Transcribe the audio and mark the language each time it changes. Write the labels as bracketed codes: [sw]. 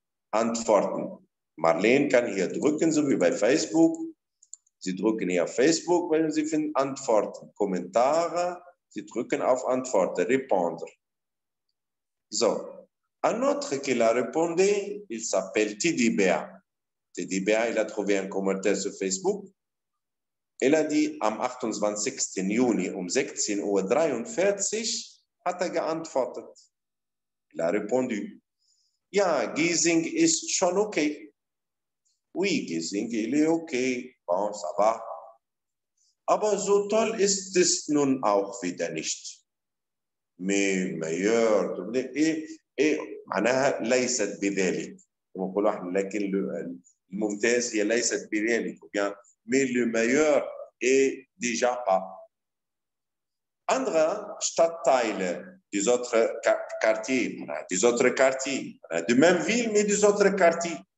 [de] Antworten. Marlene kann hier drücken, so wie bei Facebook. Sie drücken hier auf Facebook, wenn Sie finden, Antworten. Kommentare, Sie drücken auf Antworten, répondre. So. [fr] Un autre qui l'a répondu, il s'appelle Teddy Bear. Teddy Bear, il a trouvé un commentaire sur Facebook. Il a dit, am 28. [de] Juni um 16.43 Uhr hat er geantwortet. [fr] Il a répondu. [de] Ja, Giesing ist schon okay. [fr] Oui, Giesing, il est okay. Bon, ça va. [de] Aber so toll ist es nun auch wieder nicht. [fr] Mais meilleur, du ne, [ar] معناها ليست بذلك. لكن الممتاز هي ليست بذلك. [fr] Mais le meilleur est déjà pas. [de] Andere Stadtteile. [fr] Des autres quartiers, des autres quartiers, de même ville, mais des autres quartiers.